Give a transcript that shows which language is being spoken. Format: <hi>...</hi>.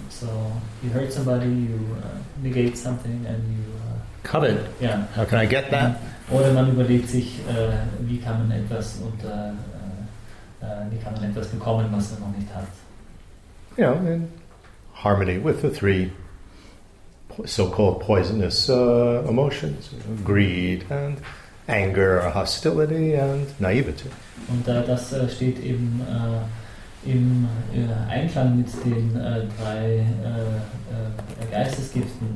<en>So, you hurt somebody, you negate something and you... covet. Yeah. How can I get that?</en> <de>Oder man überlegt sich, wie kann man etwas unter... wie kann man etwas bekommen, was man noch nicht hat.</de> <en>Yeah, in harmony with the three so-called poisonous emotions, you know, greed and anger, hostility and naivety.</en> <de>Und das steht eben im Einklang mit den drei Geistesgift,</de>